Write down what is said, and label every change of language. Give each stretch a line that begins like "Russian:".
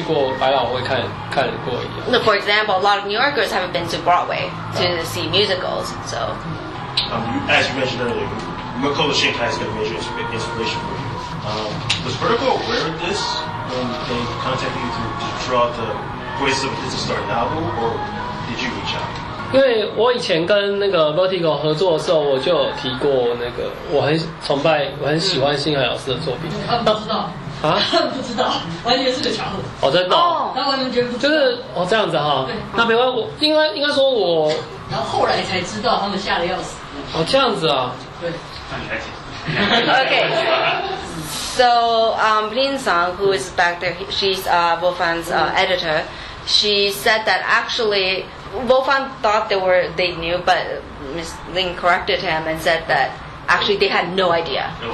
Chinese: 就像是很多纽约人也没有去过百老汇看过一样。
English: For example, a lot of New Yorkers haven't been to Broadway to see musicals, so. As you mentioned earlier, Makoto Shinkai has been a major inspiration for you. Was Vertigo aware of this when they contacted you to draw the Voices of a Distant Star novel, or did you reach out?
Chinese: 因为我以前跟那个 Vertigo 合作的时候，我就有提过那个我很崇拜、我很喜欢新海老师的作品。不知道，完全是个巧合。哦，真的。那完全觉得不是。哦，这样子哈。那没关系，因为说我。然后后来才知道他们吓得要死。哦，这样子啊。对。OK。
English: So Lin Sang, who is back there, she's Wolfan's editor. She said that actually. Wolfan thought they knew, but Ms. Ling corrected him and said that actually they had no idea.